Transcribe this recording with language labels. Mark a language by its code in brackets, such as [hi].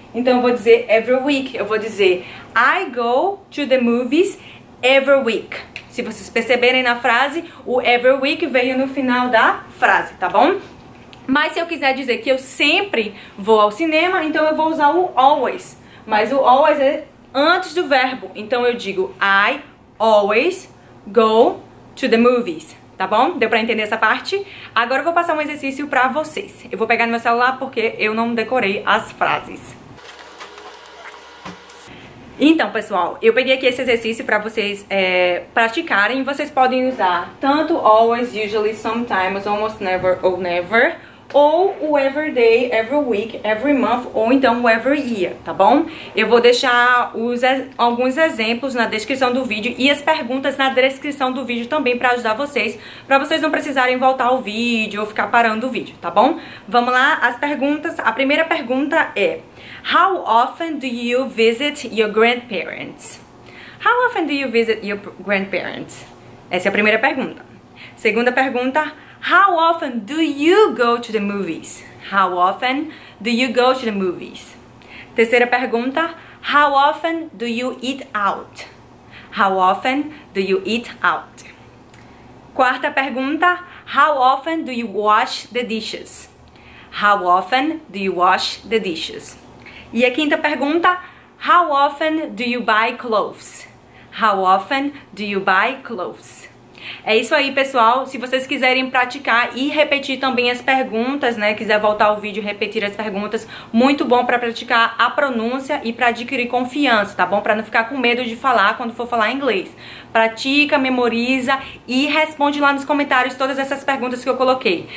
[pt] Então eu vou dizer [en] every week. [pt] Eu vou dizer [en] I go to the movies every week. [pt] Se vocês perceberem na frase, o every week veio no final da frase, tá bom? Mas se eu quiser dizer que eu sempre vou ao cinema, então eu vou usar o always. Mas o always é antes do verbo. Então eu digo [en] I always go to the movies. [pt] Tá bom? Deu pra entender essa parte? Agora eu vou passar um exercício pra vocês. Eu vou pegar no meu celular porque eu não decorei as frases. Então, pessoal, eu peguei aqui esse exercício pra vocês praticarem. Vocês podem usar tanto always, usually, sometimes, almost never ou never, ou o every day, every week, every month, ou então o every year, tá bom? Eu vou deixar alguns exemplos na descrição do vídeo e as perguntas na descrição do vídeo também pra ajudar vocês, pra vocês não precisarem voltar o vídeo ou ficar parando o vídeo, tá bom? Vamos lá, as perguntas. A primeira pergunta é: [en] How often do you visit your grandparents? How often do you visit your grandparents? [pt] Essa é a primeira pergunta. Segunda pergunta: [en] How often do you go to the movies? How often do you go to the movies? [pt] Terceira pergunta: [en] How often do you eat out? How often do you eat out? [pt] Quarta pergunta: [en] How often do you wash the dishes? How often do you wash the dishes? [pt] E a quinta pergunta: [en] How often do you buy clothes? How often do you buy clothes? [pt] É isso aí, pessoal. Se vocês quiserem praticar e repetir também as perguntas, né? Quiser voltar ao vídeo e repetir as perguntas, muito bom pra praticar a pronúncia e pra adquirir confiança, tá bom? Pra não ficar com medo de falar quando for falar inglês. Pratica, memoriza e responde lá nos comentários todas essas perguntas que eu coloquei.